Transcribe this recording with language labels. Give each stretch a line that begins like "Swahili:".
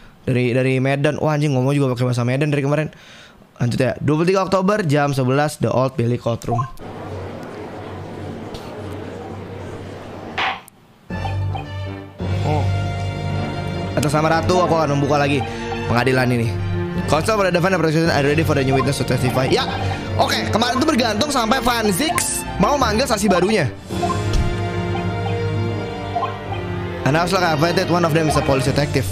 Indonesian: Dari Medan. Wah anjing, ngomong juga pakai bahasa Medan dari kemarin. Lanjut ya. 23 Oktober jam 11, The Old Billy Courtroom. Atas nama Ratu, aku akan membuka lagi pengadilan ini.
English: Counsel for the defense and prosecution are ready for the new witness to testify. Ya, yeah. Oke, okay.
Indonesian: Kemarin itu bergantung sampai Van Zix mau manggil saksi barunya.
English: And I was like, I bet that one of them is a police detective.